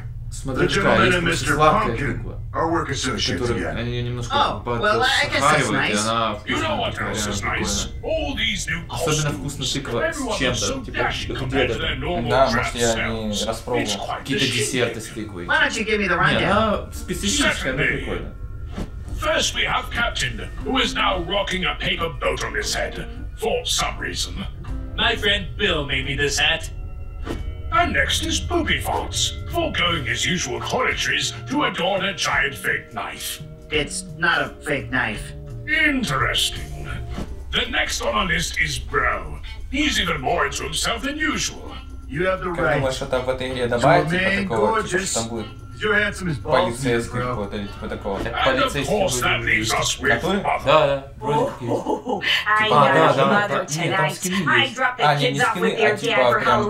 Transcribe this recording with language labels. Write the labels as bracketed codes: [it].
[ru] Смотри, какая есть просто сладкая тыква. Они ее немножко подсахаривают, и она вкусная. Особенно вкусно тыква с чем-то, типа шоколадом. Да, может, я не распробовал какие-то десерты с тыквой. Нет, она специфическая, но прикольная. [en] First we have Captain, who is now rocking a paper boat on his head, for some reason. My friend Bill made me this hat. And next is Poopy Farts, foregoing his usual toiletries to adorn a giant fake knife. It's not a fake knife. Interesting. The next on our list is Bro. He's even more into himself than usual. You have the right. [ru] Как думаешь, что там в этой игре добавится, типа такого, типа, что там будет полицейский какой-то, или типа такого. Так полицейский будет. Такой? Да, да, вроде как есть. Типа, да, да, нет, там скины есть. А, нет, не скины, а типа прям